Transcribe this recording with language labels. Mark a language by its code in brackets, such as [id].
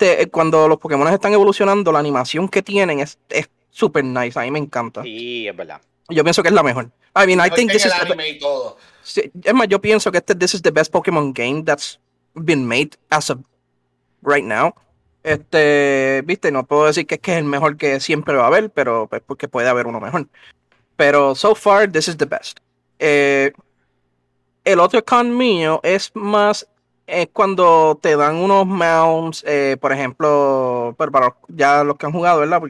[es] Cuando los Pokémon están evolucionando, la animación que tienen es súper nice. A mí me encanta. Sí, es verdad. Yo pienso que es la mejor. [en] I mean, I think this is. [es] Anime y todo. Es más, yo pienso que [en] this is the best Pokémon game that's been made as of right now. [es] Viste, no puedo decir que es el mejor que siempre va a haber, pero pues, porque puede haber uno mejor. Pero [en] so far, this is the best. [es] El otro con mío es más cuando te dan unos mounts, por ejemplo, para ya los que han jugado, ¿verdad?